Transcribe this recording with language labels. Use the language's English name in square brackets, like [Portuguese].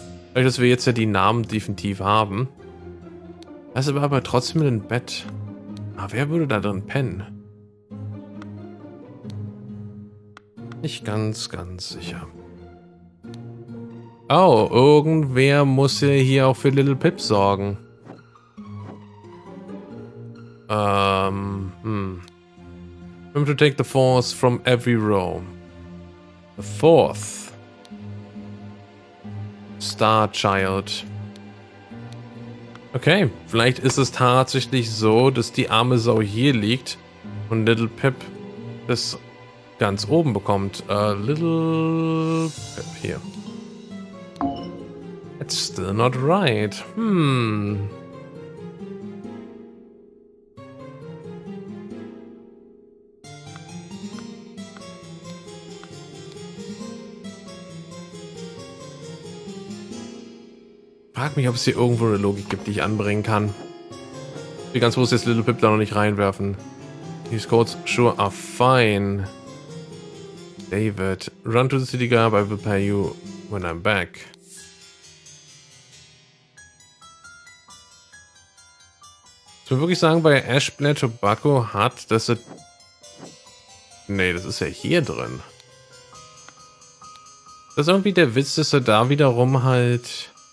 [German] Vielleicht, dass wir jetzt ja die Namen definitiv haben. Das ist aber trotzdem ein Bett. Ah, wer würde da drin pennen? Nicht ganz, ganz sicher. Oh, irgendwer muss ja hier auch für Little Pip sorgen. [English] Remember to take the fourth from every row. The fourth. Starchild. [German] Okay, vielleicht ist es tatsächlich so, dass die arme Sau hier liegt und Little Pip das ganz oben bekommt. Little Pip hier. [English] It's still not right. [German] Frag mich, ob es hier irgendwo eine Logik gibt, die ich anbringen kann. Wie ganz muss jetzt Little Pip da noch nicht reinwerfen. [English] These codes sure are fine. David, run to the city guard, I will pay you when I'm back. [German] Ich will wirklich sagen, bei Ash Blair Tobacco hat das... Nee, das ist ja hier drin. Das ist irgendwie der Witz, dass er da wiederum halt...